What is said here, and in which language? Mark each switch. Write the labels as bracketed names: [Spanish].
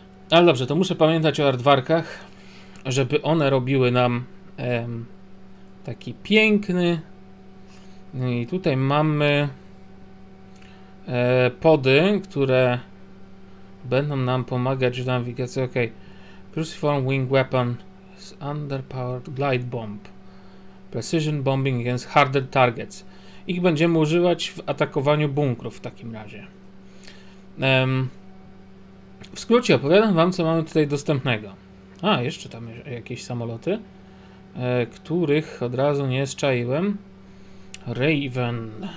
[Polish] Ale dobrze, to muszę pamiętać o aardwarkach, żeby one robiły nam taki piękny. I tutaj mamy pody, które będą nam pomagać w nawigacji. [English] Ok, cruciform wing weapon is underpowered glide bomb. Precision bombing against harder targets. [Polish] Ich będziemy używać w atakowaniu bunkrów w takim razie. W skrócie opowiadam wam, co mamy tutaj dostępnego. A, jeszcze tam jakieś samoloty, których od razu nie zczaiłem. Raven.